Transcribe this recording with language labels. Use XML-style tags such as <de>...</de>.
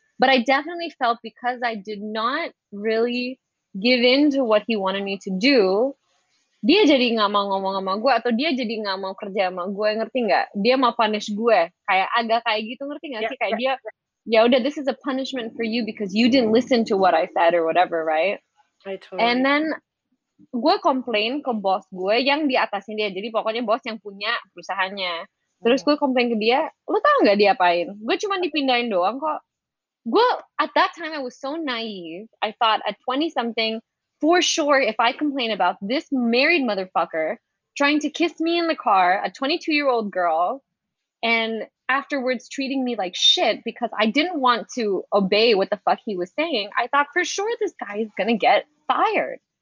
<en>But I definitely felt, because I did not really give in to what he wanted me to do,</en> <id>dia jadi gak mau ngomong sama gue, atau dia jadi gak mau kerja sama gue, ngerti gak? Dia mau punish gue, kayak agak kayak gitu, ngerti gak sih? Yeah, kayak yeah. Dia, ya udah,</id> <en>this is a punishment for you because you didn't listen to what I said or whatever, right? I totally.</en> <id>And then gue complain ke bos gue yang di atasnya dia, jadi pokoknya bos yang punya perusahaannya. Terus gue complain ke dia, lo tau gak diapain? Gue cuma dipindahin doang kok.</id> <en>Well, at that time, I was so naive. I thought at 20-something, for sure, if I complain about this married motherfucker trying to kiss me in the car, a 22-year-old girl, and afterwards treating me like shit because I didn't want to obey what the fuck he was saying, I thought for sure this guy is gonna get fired.</en>